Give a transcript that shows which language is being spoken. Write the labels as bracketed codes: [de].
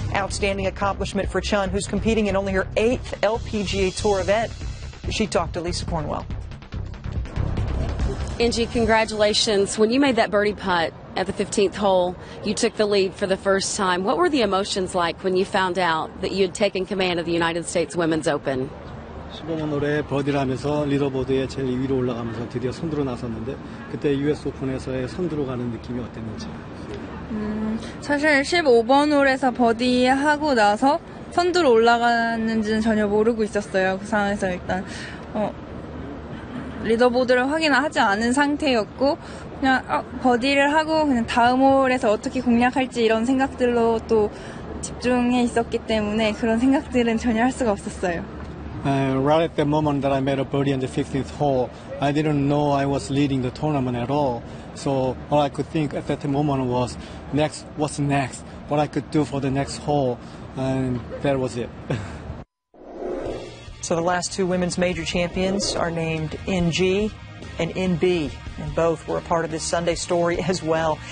[en] Outstanding accomplishment for Chun, who's competing in only her eighth LPGA Tour event. She talked to Lisa Cornwell. Gee, congratulations. When you made that birdie putt at the 15th hole, you took the lead for the first time. What were the emotions like when you found out that you had taken command of the United States Women's Open? [ko] 15번 홀에 버디를 하면서 리더보드에 제일 위로 올라가면서 드디어 선두로 나섰는데 그때 US 오픈에서의 선두로 가는 느낌이 어땠는지. 사실 15번 홀에서 버디하고 나서 선두로 올라갔는지는 전혀 모르고 있었어요. 그 상황에서 일단 리더보드를 확인하지 않은 상태였고 그냥 버디를 하고 그냥 다음 홀에서 어떻게 공략할지 이런 생각들로 또 집중해 있었기 때문에 그런 생각들은 전혀 할 수가 없었어요. [en] Right at the moment that I made a birdie on the 15th hole, I didn't know I was leading the tournament at all. So all I could think at that moment was, next, what's next? What I could do for the next hole? And that was it. So the last two women's major champions are named Gee and NB, and both were a part of this Sunday story as well.